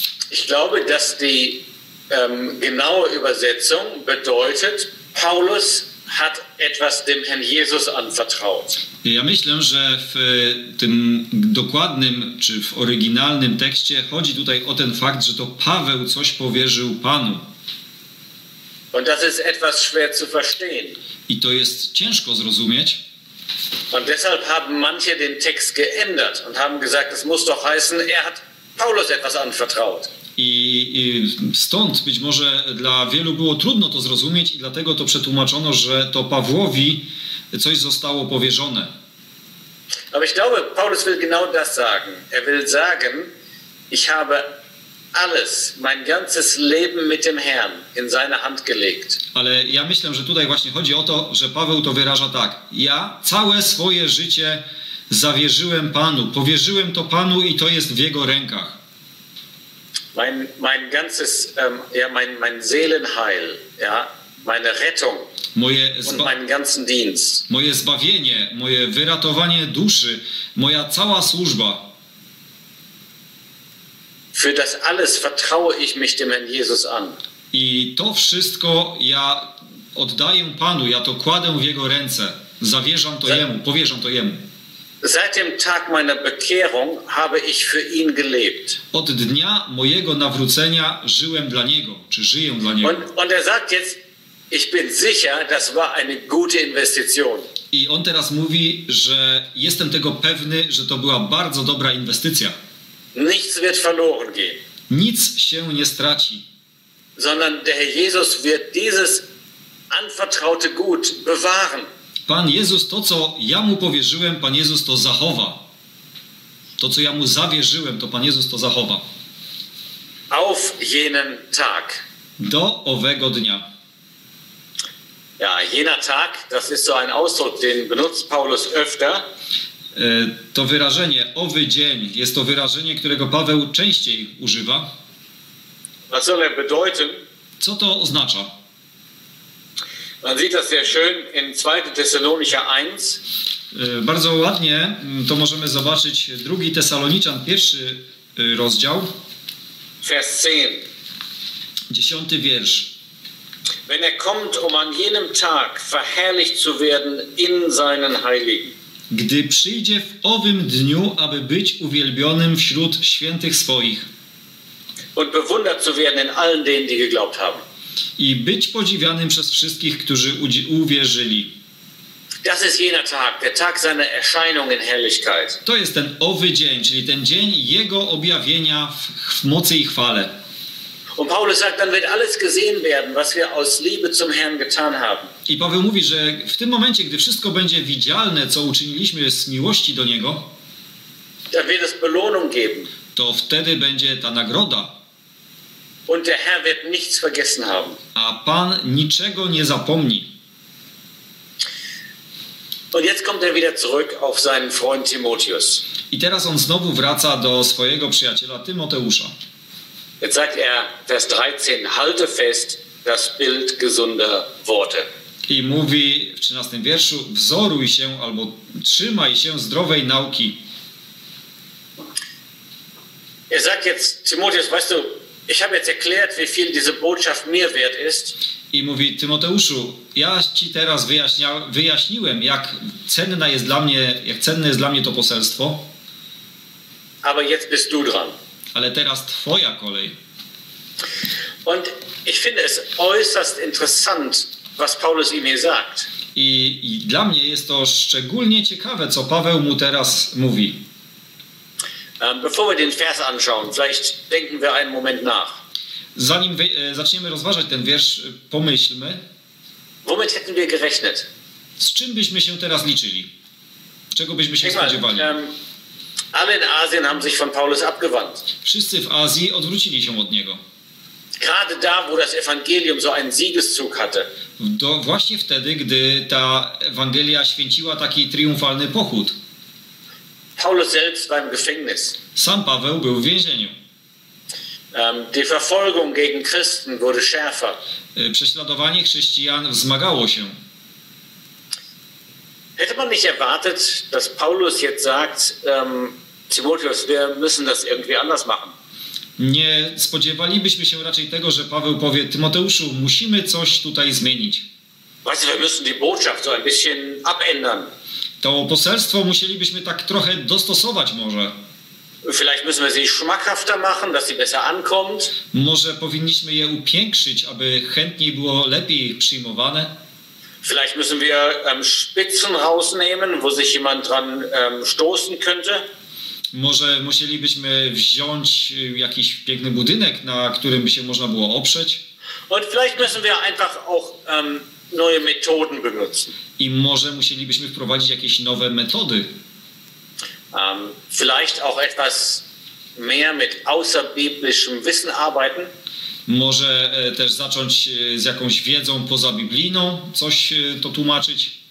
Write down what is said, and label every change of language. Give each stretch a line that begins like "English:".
German: Ich glaube, dass die genaue Übersetzung bedeutet, Paulus hat etwas dem Herrn Jesus anvertraut.
Polish: Ja myślę, że w tym dokładnym czy w oryginalnym tekście chodzi tutaj o ten fakt, że to Paweł coś powierzył Panu.
German: Und das ist etwas schwer zu verstehen.
Polish: I to jest ciężko zrozumieć.
German: Und deshalb haben manche den Text geändert und haben gesagt, es muss doch heißen, er hat Paulus etwas anvertraut.
Polish: I stąd być może dla wielu było trudno to zrozumieć i dlatego to przetłumaczono, że to Pawłowi coś zostało powierzone.
German: Aber ich glaube, Paulus will genau das sagen. Er will sagen, ich habe alles, mein ganzes Leben mit dem Herrn in seine Hand gelegt.
Polish: Ale ja myślę, że tutaj właśnie chodzi o to, że Paweł to wyraża tak. Ja całe swoje życie zawierzyłem Panu, powierzyłem to Panu i to jest w jego rękach.
German: Mein ganzes mein Seelenheil, ja, meine Rettung, meinen ganzen Dienst.
Polish: Moje zbawienie, moje wyratowanie duszy, moja cała służba.
German: Für das alles vertraue ich mich dem Herrn Jesus an.
Polish: I to wszystko ja oddaję Panu, ja to kładę w jego ręce. Zawierzam to jemu, powierzam to jemu.
German: Seit dem Tag meiner Bekehrung habe ich für ihn gelebt.
Polish: Od dnia mojego nawrócenia żyłem dla niego, czy żyję dla niego.
German: Und er sagt jetzt, ich bin sicher, das war eine gute Investition.
Polish: I on teraz mówi, że jestem tego pewny, że to była bardzo dobra inwestycja.
German: Nichts wird verloren gehen.
Polish: Nic się nie straci.
German: Sondern der Herr Jesus wird dieses anvertraute Gut bewahren.
Polish: Pan Jezus, to co ja mu powierzyłem, Pan Jezus to zachowa. To co ja mu zawierzyłem, to Pan Jezus to zachowa.
German: Auf jenen Tag.
Polish: Do owego dnia.
German: Ja, jener Tag, das ist so ein Ausdruck, den benutzt Paulus öfter.
Polish: To wyrażenie, owy dzień, jest to wyrażenie, którego Paweł częściej używa.
German: Was soll er bedeuten?
Polish: Co to oznacza?
German: Man sieht das sehr schön in 2. Thessalonicher 1.
Polish: Bardzo ładnie to możemy zobaczyć 2. Tesaloniczan, 1. rozdział.
German: Vers 10.
Polish: 10. wiersz.
German: Wenn er kommt, um an jenem Tag verherrlicht zu werden in seinen Heiligen.
Polish: Gdy przyjdzie w owym dniu, aby być uwielbionym wśród świętych swoich.
German: Und bewundert zu werden in allen denen, die geglaubt haben.
Polish: I być podziwianym przez wszystkich, którzy uwierzyli.
German: Das ist jener Tag, der Tag seiner Erscheinung in Herrlichkeit.
Polish: To jest ten owy dzień, czyli ten dzień Jego objawienia w mocy i chwale.
German: Und Paulus sagt, dann wird alles gesehen werden, was wir aus Liebe zum Herrn getan haben.
Polish: I Paweł mówi, że w tym momencie, gdy wszystko będzie widzialne, co uczyniliśmy z miłości do Niego,
German: dann wird es Belohnung geben.
Polish: To wtedy będzie ta nagroda.
German: Und der Herr wird nichts vergessen haben.
Polish: A Pan niczego nie zapomni.
German: Und jetzt kommt er wieder zurück auf seinen Freund Timotheus.
Polish: I teraz on znowu wraca do swojego przyjaciela Tymoteusza.
German: Jetzt sagt er, Vers 13, halte fest das Bild gesunder Worte.
Polish: I mówi w 13 wierszu, wzoruj się albo trzymaj się zdrowej nauki.
German: Er sagt jetzt, Timotheus, weißt du, ich habe jetzt erklärt, wie viel diese Botschaft mir wert ist.
Polish: I mówi, Tymoteuszu, ja ci teraz wyjaśniłem, jak cenne jest dla mnie to poselstwo.
German: Aber jetzt bist du dran.
Polish: Ale teraz twoja kolej.
German: Und ich finde es äußerst interessant, was Paulus ihm hier sagt.
Polish: I dla mnie jest to szczególnie ciekawe, co Paweł mu teraz mówi.
German: Bevor wir den Vers anschauen, vielleicht denken wir einen Moment nach.
Polish: Zanim zaczniemy rozważać ten wiersz, pomyślmy.
German: Womit hätten wir gerechnet?
Polish: Z czym byśmy się teraz liczyli? Czego byśmy się spodziewali?
German: Alle in Asien haben sich von Paulus abgewandt.
Polish: Wszyscy w Azji odwrócili się od niego.
German: Gerade da, wo das Evangelium so einen Siegeszug hatte.
Polish: Właśnie wtedy, gdy ta Ewangelia święciła taki triumfalny pochód.
German: Paulus selbst war im Gefängnis.
Polish: Sam Paweł był w więzieniu.
German: Die Verfolgung gegen Christen wurde schärfer.
Polish: Prześladowanie chrześcijan wzmagało się.
German: Hätte man nicht erwartet, dass Paulus jetzt sagt, Timotheus, wir müssen das irgendwie anders machen.
Polish: Nie spodziewalibyśmy się raczej tego, że Paweł powie, Tymoteuszu, musimy coś tutaj zmienić.
German: Weißt du, wir müssen die Botschaft so ein bisschen abändern.
Polish: To poselstwo musielibyśmy tak trochę dostosować może.
German: Vielleicht müssen wir sie schmackhafter machen, dass sie besser ankommt.
Polish: Może powinniśmy je upiększyć, aby chętniej było lepiej przyjmowane.
German: Vielleicht müssen wir Spitzen rausnehmen, wo sich jemand dran stoßen könnte.
Polish: Może musielibyśmy wziąć jakiś piękny budynek, na którym by się można było oprzeć.
German: Und vielleicht müssen wir einfach auch neue Methoden benutzen.
Polish: I może musielibyśmy wprowadzić jakieś nowe metody.
German: Vielleicht auch etwas mehr mit außerbiblischem Wissen arbeiten.
Polish: Może też zacząć z jakąś wiedzą pozabiblijną, coś to tłumaczyć.